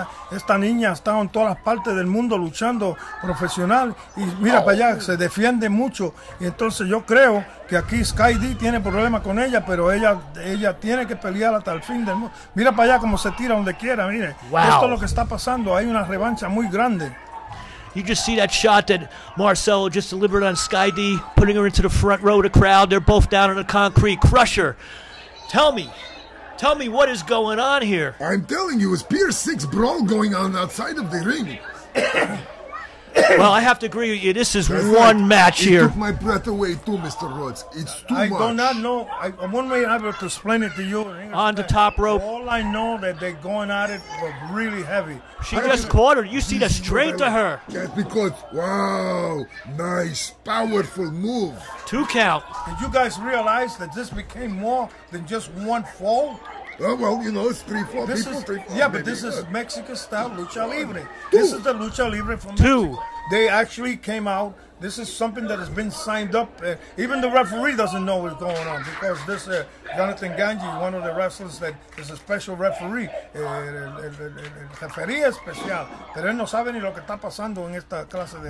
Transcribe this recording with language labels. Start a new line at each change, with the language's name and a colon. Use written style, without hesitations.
Spanish: Esta niña está en todas las partes del mundo luchando profesional y mira para allá, se defiende mucho. Y entonces yo creo que aquí Sky D tiene problemas con ella, pero ella tiene que pelear hasta el fin del mundo. Mira para allá como se tira donde quiera, mire.
English: Wow.
Spanish: Esto es lo que está pasando, hay una revancha muy grande.
English: You just see that shot that Marcelo just delivered on Sky D, putting her into the front row of the crowd. They're both down on the concrete. Crusher, tell me what is going on here. I'm telling you, it's Pier 6 brawl going on outside of the ring. Well, I have to agree with you. This is That's one match here. It took my breath away too, Mr. Rhodes. It's too much. I do not know. I'm one way able to explain it to you. On the top rope. All I know that they're going at it really heavy. She just caught her. You see the strength of her. That's because, wow, nice, powerful move. Two count. Did you guys realize that this became more than just one fall? Well, you know, it's three, four this people, is, three, four, yeah, maybe. But this is Mexican style lucha libre. This is the lucha libre from Mexico. Two. They actually came out. This is something that has been signed up. Even the referee doesn't know what's going on because this Jonathan Ganji, one of the wrestlers that is a special referee, referee especial.
Spanish: Pero él no sabe ni lo que está pasando en esta clase de...